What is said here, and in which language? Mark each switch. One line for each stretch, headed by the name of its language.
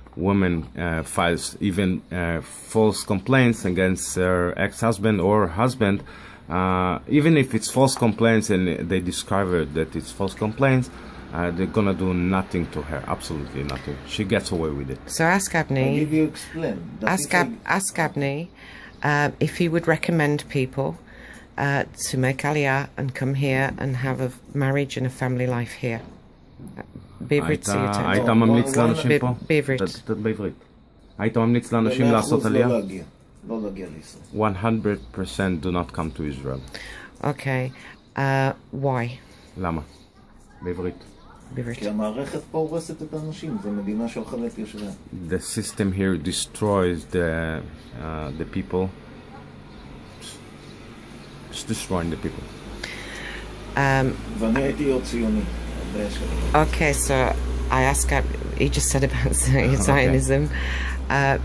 English: woman files even false complaints against her ex-husband or husband, even if it's false complaints and they discovered that it's false complaints, they're gonna do nothing to her, absolutely nothing. She gets away with it. So ask Avni, if he would recommend people to make Aliyah and come here and have a marriage and a family life here.
Hebrew: היית ממליץ לאנשים פה? בעברית. היית ממליץ לאנשים לעשות עלייה? לא להגיע לישראל.
English: 100% do not come to Israel. Okay. Why?
Hebrew: למה? בעברית. בעברית. כי המערכת פה הורסת את האנשים, זה מדינה שאוכלת יושביה.
English: The system here destroys the people. It's destroying the people.
Hebrew: ואני הייתי עוד ציוני.
English: Okay, so I ask, he just said about Zionism. Okay.